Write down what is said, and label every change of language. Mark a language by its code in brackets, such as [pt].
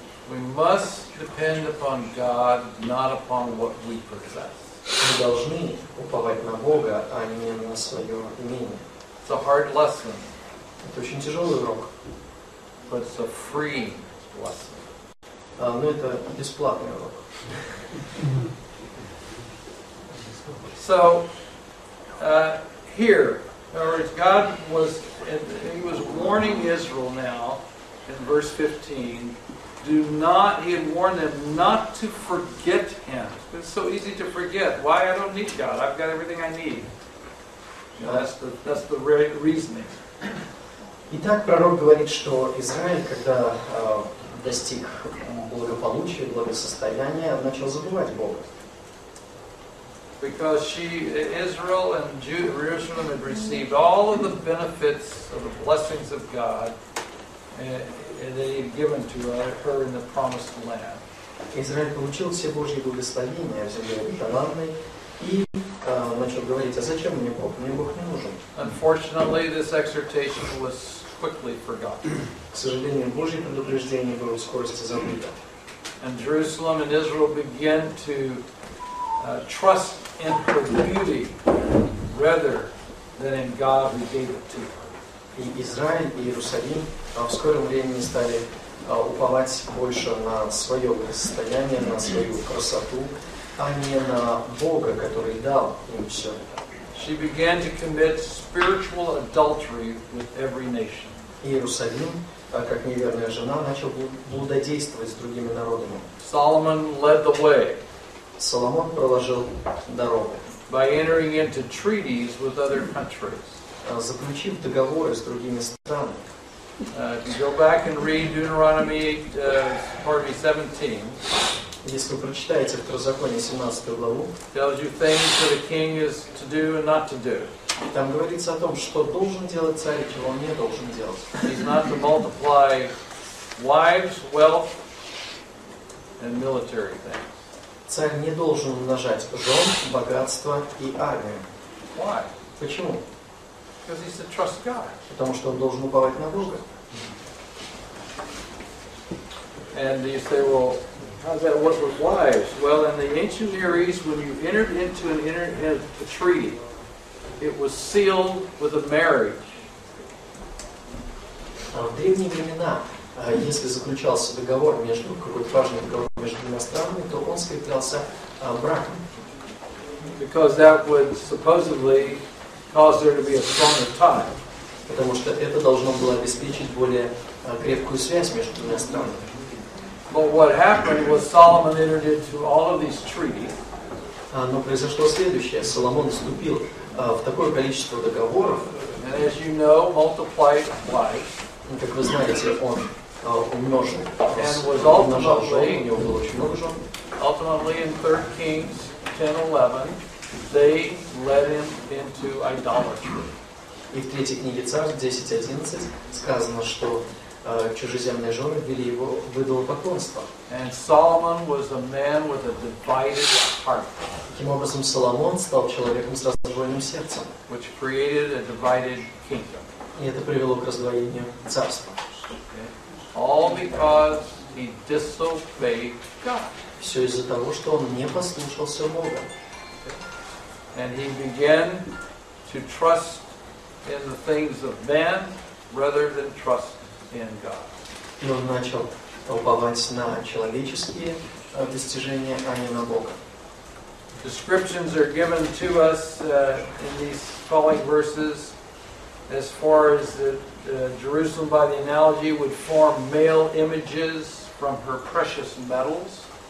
[en] We must depend upon God, not upon what we possess. [ru] Мы должны уповать на Бога, а не на свое имение. [en] It's a hard lesson. [ru] Это очень тяжелый урок. [en] But it's a free lesson. [ru] Но это бесплатный урок. [en] So, here, in other words, God was, he was warning Israel now, in verse 15, do not, he had warned them not to forget him. It's so easy to forget. Why? I don't need God. I've got everything I need. That's the reasoning. [ru] Итак, пророк говорит, что Израиль, когда достиг благополучия, благосостояния, начал забывать Бога. [en] Because she, Israel and Jerusalem had received all of the benefits of the blessings of God, and they had given to her in the promised land. [ru] Израиль получил все Божьи благословения в земле обетованной и начал говорить, а зачем мне Бог? Мне Бог не нужен. [en] Unfortunately, this exhortation was quickly forgotten. [ru] К сожалению, Божье предупреждение было в скорости забыто. [en] And Jerusalem and Israel began to trust in her beauty rather than in God who gave it to her. [ru] И Израиль, и Иерусалим в скором времени стали уповать больше на свое состояние, на свою красоту, а не на Бога, который дал им все это. [en] She began to commit spiritual adultery with every nation. [ru] Иерусалим как неверная жена, начал блудодействовать с другими народами. [en] Solomon led the way. [ru] Соломон проложил дорогу. [en] By entering into treaties with other countries. [ru] Заключив договоры с другими странами. [en] If you go back and read Deuteronomy 17. [ru] Если вы прочитаете Второзаконие 17 главу, [en] tells you things that a king is to do and not to do. [ru] Там говорится о том, что должен делать царь и чего он не должен делать. [en] He's not to multiply wives, wealth, and military things. [ru] Царь не должен умножать жен, богатство и армию. [en] Why? [ru] Почему? [en] Because he's to trust God. [ru] Потому что он должен уповать на Бога. [en] And you say, well, how does that work with wives? Well, in the ancient Near East, when you entered into a treaty, it was sealed with a marriage. [ru] В древние времена, если заключался договор между какой-то важный договор между двумя странами, то он скреплялся браком. [en] Because that would supposedly cause there to be a stronger tie. [ru] Потому что это должно было обеспечить более крепкую связь между двумя странами. [en] But what happened was Solomon entered into all of these treaties. [ru] Но произошло следующее. Соломон вступил в такое количество договоров. [en] And as you know, multiplied wife. [ru] Как вы знаете, он умножил. [en] And was ultimately, [ru] у него было очень много жен. [en] Ultimately, in 3 Kings 10:11, they led him into idolatry. [ru] И в третьей книге Царств 10:11 сказано, что чужеземные жены ввели его в идолопоклонство. [en] And Solomon was a man with a divided heart. [ru] Таким образом, Соломон стал человеком с раздвоенным сердцем. [en] Which created a divided kingdom. [ru] И это привело к раздвоению царства. [en] All because he disobeyed God. [ru] Все из-за того, что он не послушался Бога. [en] And he began to trust in the things of men rather than trust in God. [ru] И он начал уповать на человеческие достижения, а не на Бога. [en] Descriptions are given to us in these following verses as far as Jerusalem by the analogy would form male images from her precious metals.